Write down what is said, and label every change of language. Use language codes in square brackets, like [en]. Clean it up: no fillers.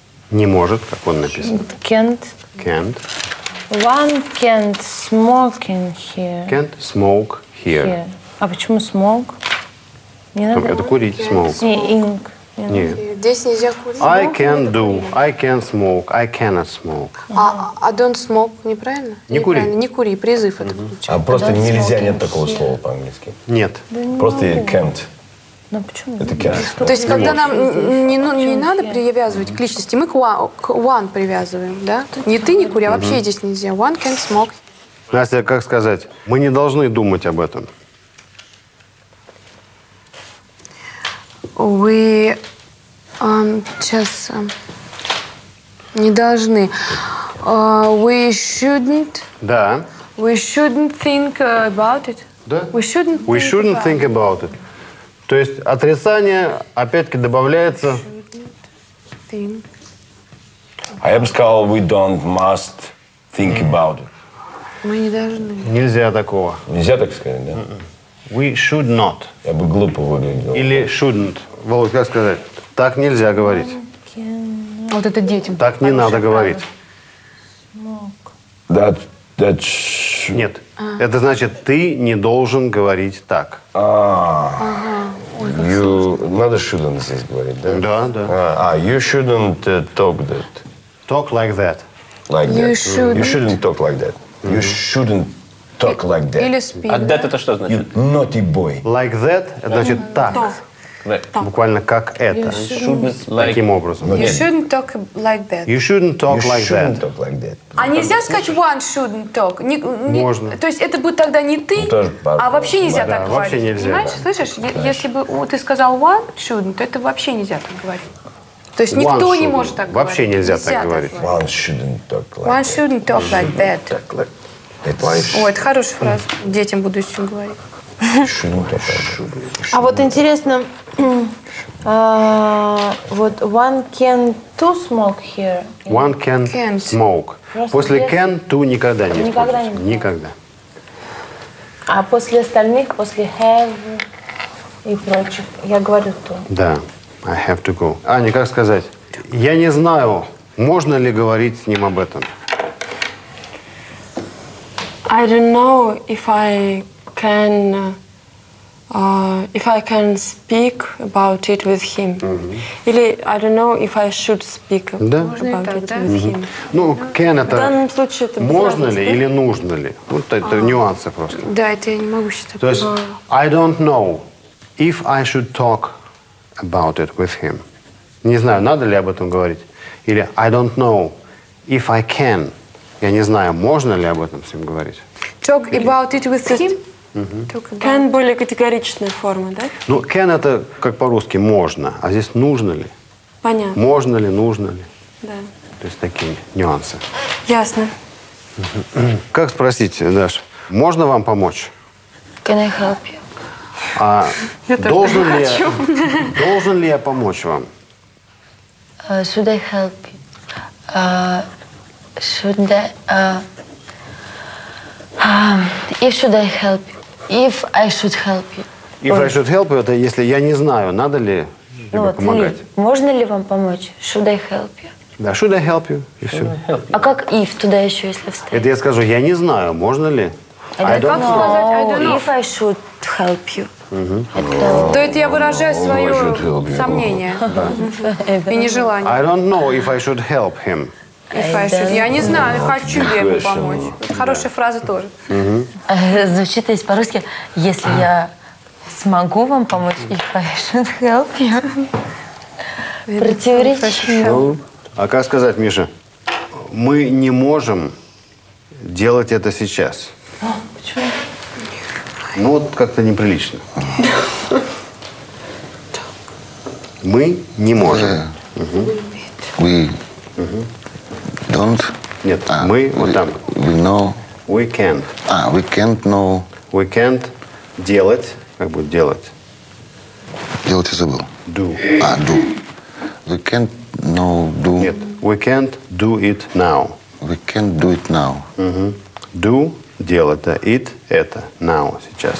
[ru] Не может, как он написан. [en] Can't. Can't. One can't smoke in here. Can't smoke here. Here. [ru] А почему smoke? Не надо. Это курить smoke. Не ink. Нет. Здесь нельзя курить. [en] I can do, I can smoke, I cannot smoke. [ru] А [en] don't smoke, [ru] неправильно? Не кури. Не кури, призыв это получается. А просто нельзя, нет такого слова по-английски? Нет. Просто can't. Ну почему? Это can't. То есть когда нам не надо привязывать к личности, мы к one привязываем, да? Не ты не кури, а вообще здесь нельзя. [en] One can't smoke. [ru] Настя, как сказать? Мы не должны думать об этом. Вы сейчас не должны. [en] We shouldn't. [ru] Да. [en] We shouldn't think about it. [ru] Да. [en] We shouldn't think about it. [ru] То есть отрицание опять-таки добавляется. [en] I am [ru] сказал, [en] we don't must think about it. [ru] Мы не должны. Нельзя такого. Нельзя так сказать, да? [en] We should not. [ru] Я бы глупо выглядел. Или shouldn't. Володь, как сказать? Так нельзя говорить. Can... Вот это детям. Так не надо говорить. [en] Smoke. That should... [ru] Нет. Ah. Это значит, ты не должен говорить так. [en] You... [ru] Надо shouldn't здесь говорить, да? Да, да. [en] You shouldn't talk that. Talk like that. Like you that. Shouldn't. You shouldn't talk like that. Mm-hmm. You shouldn't talk like that. [ru] Или speak. А that это что значит? [en] You naughty boy. Like that, [ru] это значит так. Так. Буквально как это. Таким образом. [en] You shouldn't talk like that. You shouldn't talk like that. Talk like that. [ru] А нельзя сказать [en] one shouldn't talk? [ru] Можно. То есть это будет тогда не ты, а вообще нельзя так говорить. Вообще нельзя. Понимаешь, слышишь, если бы ты сказал [en] one shouldn't, [ru] то это вообще нельзя так говорить. То есть никто не может так говорить. Вообще нельзя так говорить. [en] One shouldn't talk like that. One shouldn't talk like that. [ru] Ой, это хорошая фраза. Детям буду еще говорить. А вот интересно, вот [en] one can to smoke here. One can can't. Smoke. [ru] Просто после can to никогда не используется. Никогда. А после остальных, после have и прочих, я говорю to. [en] Да, I have to go. [ru] Аня, как сказать? Я не знаю, можно ли говорить с ним об этом. [en] I don't know if I can, if I can speak about it with him. Mm-hmm. Или I don't know if I should speak about it with him. [ru] Ну, can это... В данном случае это... Можно ли или нужно ли? Вот это нюансы просто. Да, это я не могу считать. То есть, [en] I don't know if I should talk about it with him. [ru] Не знаю, надо ли об этом говорить. Или [en] I don't know if I can. [ru] Я не знаю, можно ли об этом с ним говорить. [en] Talk или... about it with him? [ru] Угу. Can более категоричная форма, да? Ну, can это как по-русски можно, а здесь нужно ли? Понятно. Можно ли, нужно ли? Да. То есть такие нюансы. Ясно. Угу. Как спросить, Даш, можно вам помочь? [en] Can I help you? [ru] А должен ли я помочь вам? [en] Should I help you? Should I... if should I help you? If I should help you. If I should help you, [ru] это если я не знаю, надо ли ну, вот, помогать. Ну, можно ли вам помочь? [en] Should I help you? Да, should I help you? [ru] И все. А как if туда еще, если вставить? Это я скажу, я не знаю, можно ли? [en] I don't know. If I should help you. Uh-huh. [ru] То это я выражаю свое сомнение и нежелание. [en] I don't know if I should help him. [ru] Я не знаю, хочу ли я ему помочь. Хорошая фраза тоже. Звучит есть по-русски, если я смогу вам помочь, [en] if I should help you. [ru] Противоречиво. А как сказать, Миша, мы не можем делать это сейчас. Почему? Ну, вот как-то неприлично. Мы не можем. [en] We. Don't? [ru] Нет, мы вот там. [en] We know. We can't. А, we can't know. We can't [ru] делать. Как будет делать? Делать я забыл. [en] Do. А, do. We can't know, do. Нет, we can't do it now. We can't do it now. [ru] Do, делать, да, it, это, now, сейчас.